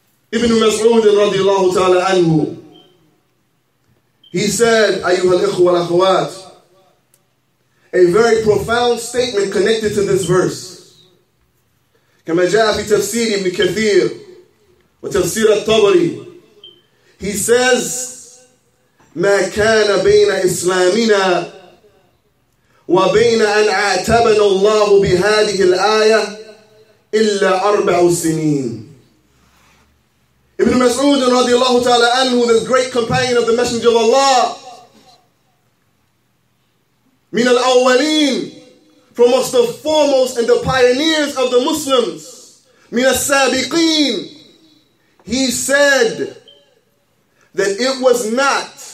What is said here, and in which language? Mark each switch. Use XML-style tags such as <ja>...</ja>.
<en>Ibn Mas'ud radiallahu ta'ala anhu, he said,</en> <ar>أيها الإخوة والأخوات,</ar> <en>a very profound statement connected to this verse.</en> <ar>كما جاء في تفسير ابن كثير وتفسير الطبري,</ar> <en>he says,</en> <ar>ما كان بين إسلامنا وبين أن عاتبنا الله بهذه الآية إلا أربع سنين.</ar> <en>Ibn Mas'ud radiallahu ta'ala anhu, the great companion of the Messenger of Allah,</en> <ar>min al-awwaleen,</ar> <en>from us the foremost and the pioneers of the Muslims,</en> <ar>min al-sabiqeen,</ar> <en>he said that it was not</en>